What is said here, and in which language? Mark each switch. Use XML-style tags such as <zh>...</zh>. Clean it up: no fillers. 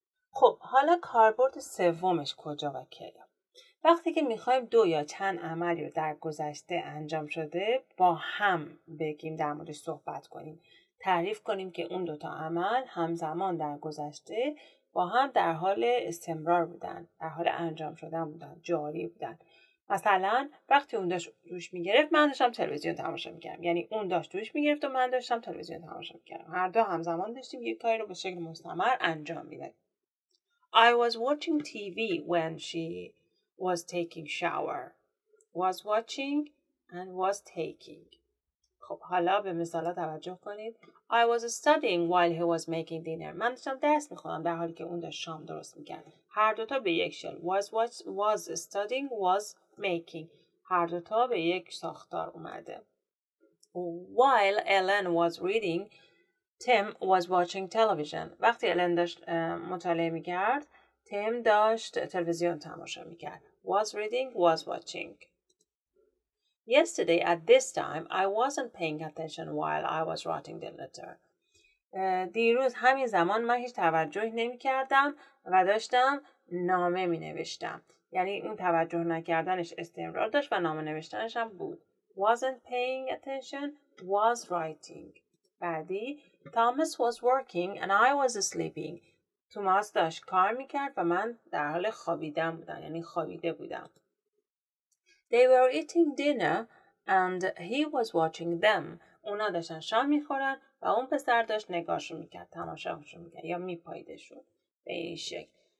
<fa>خب حالا کاربرد سومش کجا و کیا؟ وقتی که میخوایم دو یا چند عملی رو در گذشته انجام شده با هم بگیم، در موردش صحبت کنیم، تعریف کنیم که اون دوتا عمل همزمان در گذشته با هم در حال استمرار بودن، در حال انجام شدن بودن، جاری بودن. مثلا وقتی اون داشت دوش میگرفت من داشتم تلویزیون تماشا میکردم، یعنی اون داشت دوش میگرفت و من داشتم تلویزیون تماشا میکردم، هر دو همزمان داشتیم یک کاری رو به شکل مستمر انجام میدادیم.</fa> <en>I was watching TV when she was taking shower. Was watching and was taking.</en> <fa>خب حالا به مثالا توجه کنید.</fa> <en>I was studying while he was making dinner.</en> <fa>من داشتم درس میخونم در حالی که اون داشت شام درست میکرد. هر دوتا به یک شکل.</fa> <en>Was studying, was making.</en> <fa>هر دوتا به یک ساختار اومده.</fa> <en>While Ellen was reading, Tim was watching television.</en> <fa>وقتی Ellen داشت مطالعه میکرد، تیم داشت تلویزیون تماشا میکرد.</fa> <en>Was reading, was watching. Yesterday at this time, I wasn't paying attention while I was writing the letter.</en> <fa>دیروز همین زمان من هیچ توجه نمی کردم و داشتم نامه می نوشتم. یعنی اون توجه نکردنش استمرار داشت و نامه نوشتنش هم بود.</fa> <en>Wasn't paying attention, was writing.</en> <fa>بعدی،</fa> <en>Thomas was working and I was sleeping.</en> <fa>توماس داشت کار میکرد و من در حال خوابیدن بودم، یعنی خوابیده بودم.</fa> <en>They were eating dinner and he was watching them.</en> <fa>اونا داشتن شام میخورن و اون پسر داشت نگاهشون میکرد، تماشاشون میکرد یا میپاییدشون به این شکل.</fa>